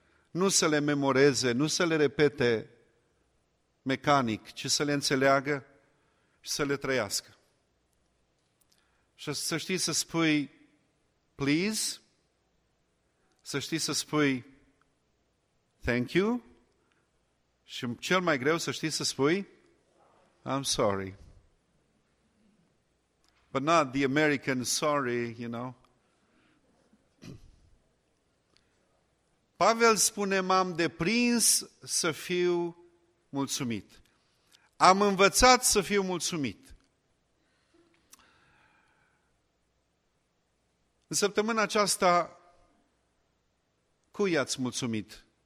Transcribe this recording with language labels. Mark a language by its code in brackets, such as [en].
[ro] Nu să le memoreze, nu să le repete mecanic, ci să le înțeleagă și să le trăiască. Și să știi să spui [en] please, [ro] să știi să spui [en] thank you [ro] și cel mai greu să știi să spui [en] I'm sorry. But not the American sorry, you know. [ro] Pavel spune: m-am deprins să fiu mulțumit. Am învățat să fiu mulțumit. În săptămâna aceasta, cui ați mulțumit?